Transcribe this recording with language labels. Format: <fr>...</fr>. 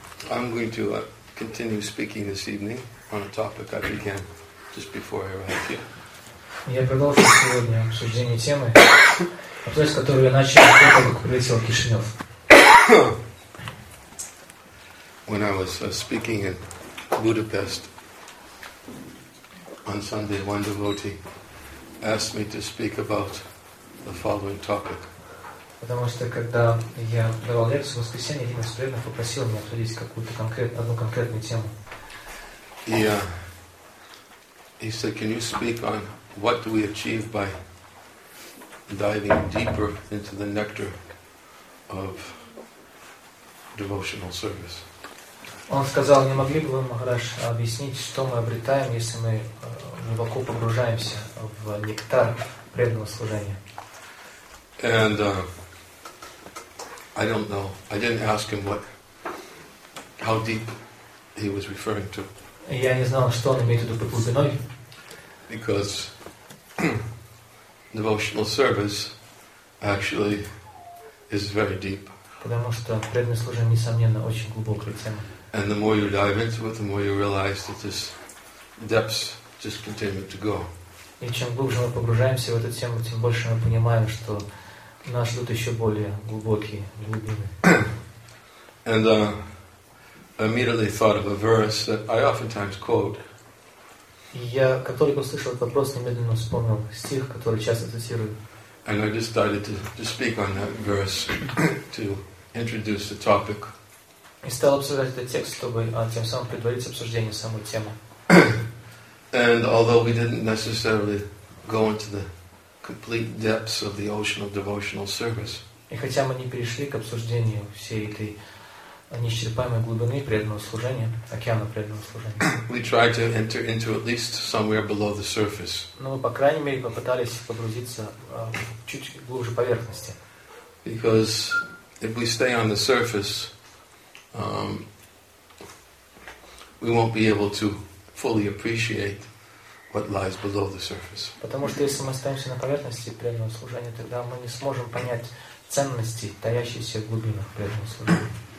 <en>I'm going to continue speaking this evening on a topic I began just before I arrived here.</en> <ru>Я продолжу сегодня обсуждение темы, вопрос, который я начал, как прилетел в Кишинев.</ru> <en>When I was speaking in Budapest on Sunday, one devotee asked me to speak about the following topic.</en> <ru>Потому что когда я давал лекцию в воскресенье, один из преданных попросил меня обсудить какую-то одну конкретную тему.</ru> <en>He said, "Can you speak on what do we achieve by diving deeper into the nectar of devotional service?"</en> <ru>Он сказал, не могли бы вы, Махарадж, объяснить, что мы обретаем, если мы глубоко погружаемся в нектар преданного служения?</ru> <en>And I don't know. I didn't ask him how deep he was referring to.</en> <ru>Я не знал, что он имеет в виду под глубиной.</ru> <en>Because devotional service actually is very deep.</en> <ru>Потому что преданное служение, несомненно, очень глубокая тема.</ru> <en>And the more you dive into it, the more you realize that this depths just continue to go.</en> <ru>И чем глубже мы погружаемся в эту тему, тем больше мы понимаем, что нас ждут еще более глубокие глубины.</ru> <en>And I immediately thought of a verse that I oftentimes quote.</en> <ru>Я, как только услышал этот вопрос, немедленно вспомнил стих, который часто цитирую.</ru> <en>And I just started to speak on that verse to introduce the topic.</en> <ru>И стал обсуждать этот текст, чтобы тем самым предварить обсуждение самой темы.</ru> <en>And although we didn't necessarily go into the complete depths of the ocean of devotional service.</en> <ru>И хотя мы не перешли к обсуждению всей этой неисчерпаемой глубины преданного служения, океана преданного служения.</ru> <en>We tried to enter into at least somewhere below the surface.</en> <ru>Но мы, по крайней мере, попытались погрузиться чуть глубже поверхности.</ru> <en>Because if we stay on the surface, we won't be able to fully appreciate what lies below the surface.</en> <ru>Потому что если мы останемся на поверхности преданного служения, тогда мы не сможем понять ценности, таящиеся в глубинах преданного служения.</ru>